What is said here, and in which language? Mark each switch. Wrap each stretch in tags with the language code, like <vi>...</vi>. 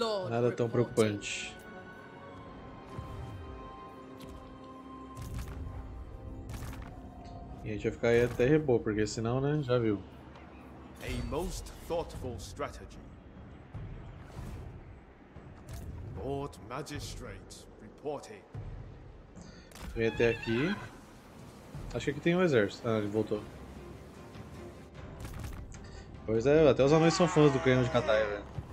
<pt>Nada tão preocupante. E a gente vai ficar aí até rebô, porque senão, né, já viu.</pt> <en>A most thoughtful strategy. Lord Magistrate reporting.</en> <pt>Vem até aqui. Acho que aqui tem um exército. Ah, ele voltou. Pois é, até os anões são fãs do Canhão de Kataia, velho.</pt>